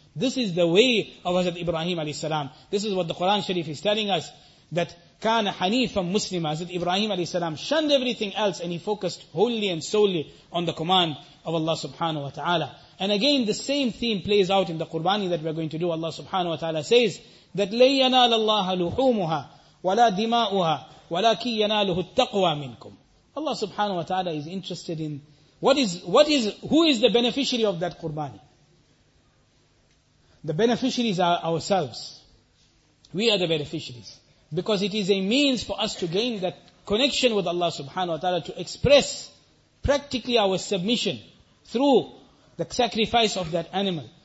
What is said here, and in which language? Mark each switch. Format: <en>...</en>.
<en>This is the way of Hazrat Ibrahim alayhi salam. This is what the Quran Sharif is telling us, that</en> <ar>kana hanifan muslima.</ar> <en>Hazrat Ibrahim alayhi salam shunned everything else and he focused wholly and solely on the command of Allah subhanahu wa ta'ala. And again, the same theme plays out in the Qurbani that we're going to do. Allah subhanahu wa ta'ala says that</en> <ar>لَنْ يَنَالَ اللَّهَ لُحُومُهَا وَلَا دِمَاؤُهَا وَلَا كِي يَنَالُهُ التَّقْوَى مِنْكُمْ.</ar> <en>Allah subhanahu wa ta'ala is interested in who is the beneficiary of that Qurbani. The beneficiaries are ourselves. We are the beneficiaries. Because it is a means for us to gain that connection with Allah subhanahu wa ta'ala, to express practically our submission through the sacrifice of that animal.</en>